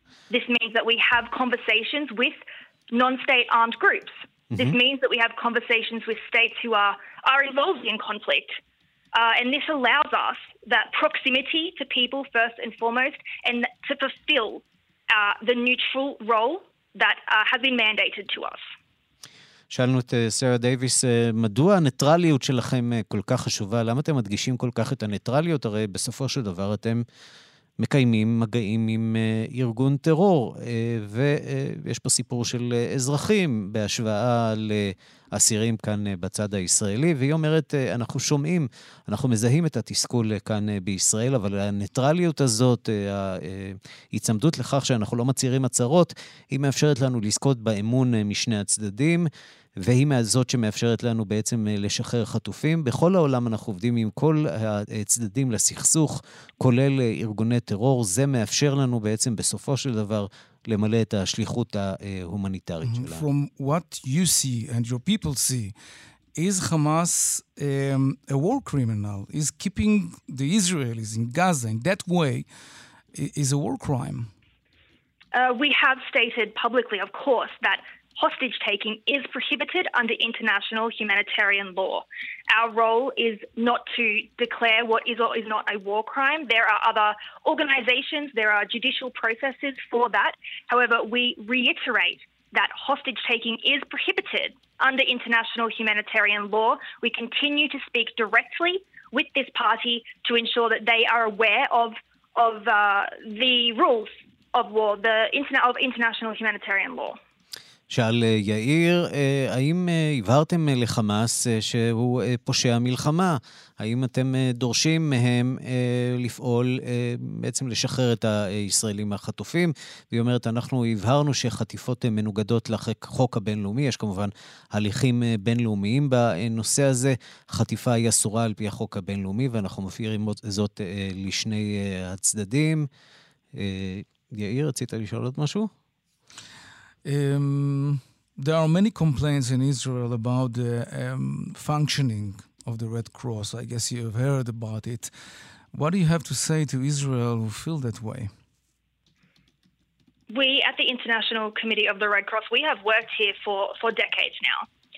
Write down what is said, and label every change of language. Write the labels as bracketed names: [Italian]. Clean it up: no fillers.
[English] This means that we have conversations with non-state armed groups. Mm-hmm. This means that we have conversations with states who are involved in conflict. And this allows us that proximity to people first and foremost, and to fulfill the neutral role that has been mandated to us. [Hebrew] שאלנו את סרה דייביס, מדוע הניטרליות שלכם כל כך חשובה? למה אתם מדגישים כל כך את הניטרליות? הרי בסופו של דבר אתם מקיימים מגעים עם ארגון טרור, ויש פה סיפור של אזרחים בהשוואה לאסירים כאן בצד הישראלי, והיא אומרת, אנחנו שומעים, אנחנו מזהים את התסכול כאן בישראל, אבל הניטרליות הזאת, ההיצמדות לכך שאנחנו לא מצהירים הצהרות, היא מאפשרת לנו לזכות באמון משני הצדדים, והיא מהזאת שמאפשרת לנו בעצם לשחרר חטופים. בכל העולם אנחנו עובדים עם כל הצדדים לסכסוך, כולל ארגוני טרור. זה מאפשר לנו בעצם בסופו של דבר למלא את השליחות ההומניטרית שלנו. [English] From what you see and your people see, is Hamas a war criminal? Is keeping the Israelis in Gaza in that way is a war crime? We have stated publicly, of course, that hostage taking is prohibited under international humanitarian law. Our role is not to declare what is or is not a war crime. There are other organizations, there are judicial processes for that. However, we reiterate that hostage taking is prohibited under international humanitarian law. We continue to speak directly with this party to ensure that they are aware of the rules of war, of international humanitarian law. [Hebrew] שאל יאיר, האם הבהרתם לחמאס שהוא פושע מלחמה? האם אתם דורשים מהם לפעול, בעצם לשחרר את הישראלים החטופים? והיא אומרת, אנחנו הבהרנו שחטיפות מנוגדות לחוק הבינלאומי, יש כמובן הליכים בינלאומיים בנושא הזה, חטיפה היא אסורה על פי החוק הבינלאומי, ואנחנו מפעירים זאת לשני הצדדים. יאיר, רצית לשאול עוד משהו? [English] There are many complaints in Israel about the functioning of the Red Cross. I guess you have heard about it. What do you have to say to Israel who feel that way? We at the International Committee of the Red Cross, we have worked here for decades now.